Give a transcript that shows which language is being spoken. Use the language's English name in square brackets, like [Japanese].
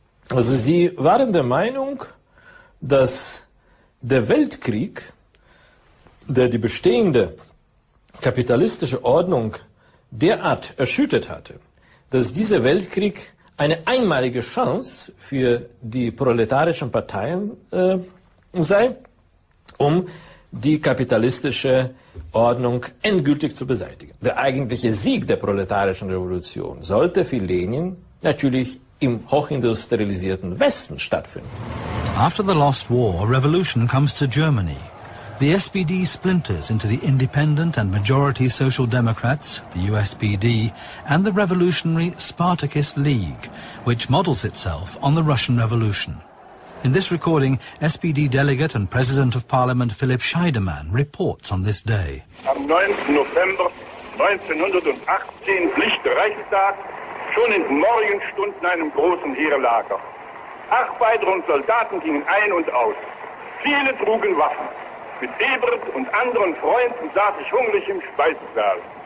[German] Also sie waren der Meinung, dass der Weltkrieg, der die bestehende kapitalistische Ordnung derart erschüttert hatte, dass dieser Weltkrieg eine einmalige Chance für die proletarischen Parteien sei, um die kapitalistische Ordnung endgültig zu beseitigen. Der eigentliche Sieg der proletarischen Revolution sollte für Lenin natürlich im hochindustrialisierten Westen stattfinden. [English] After the lost war, revolution comes to Germany. The SPD splinters into the Independent and Majority Social Democrats, the USPD, and the Revolutionary Spartakist League, which models itself on the Russian Revolution. In this recording, SPD delegate and President of Parliament Philipp Scheidemann reports on this day. [German] Am 9. November 1918 bricht der Reichstag schon in Morgenstunden einem großen Heerlager. Arbeiter und Soldaten gingen ein und aus. Viele trugen Waffen. Mit Ebert und anderen Freunden saß ich hungrig im Speisesaal.